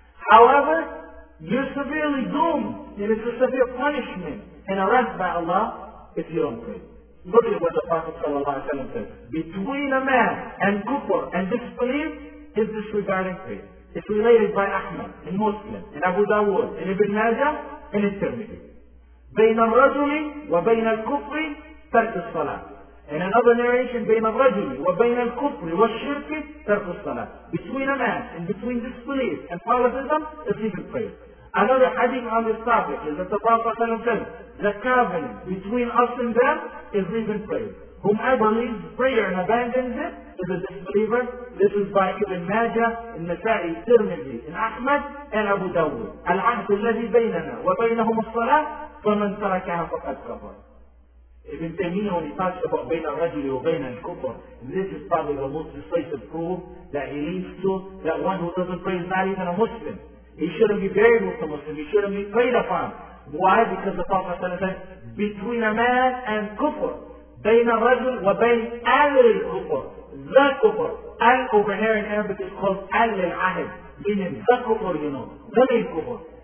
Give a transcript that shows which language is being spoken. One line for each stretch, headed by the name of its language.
English: However, you're severely doomed, and it's a severe punishment and arrest by Allah if you don't pray. Look at what the Prophet ﷺ said. Between a man and kufr and disbelief is disregarding faith. It's related by Ahmad in Muslim, in Abu Dawud, in Ibn Majah, and in Tirmidhi.
Arabic: بين الرجل وبين الكفر ترك الصلاة.
English: In another narration,
Arabic: بين الرجل وبين الكفر والشرك ترك الصلاة.
English: Between a man and between disbelief and polytheism is even faith. Another hadith on this topic is that the Prophet said, the covenant between us and them is leaving prayer. Whomever leaves prayer and abandons it is a disbeliever. This is by Ibn Majah, in Nasa'i, Tirmidhi, in Ahmad, and Abu Dawud.
Arabic: العهد الذي بيننا وبينهم الصلاة فمن تركها فقد كفر.
English: Ibn Taymiyyah, when he talks about
Arabic: بين الرجل وبين الكفر,
English: this is probably the most decisive proof that he leads to that one who doesn't pray is not even a Muslim. He shouldn't be buried with the Muslim. He shouldn't be prayed upon. Why? Because the Prophet said, between a man and kufr,
Arabic: بين الرجل وبين أهل الكفر,
English: the kufr, أهل over here in Arabic is called
Arabic: أهل العهد,
English: meaning the kufr, you know, the main kufr.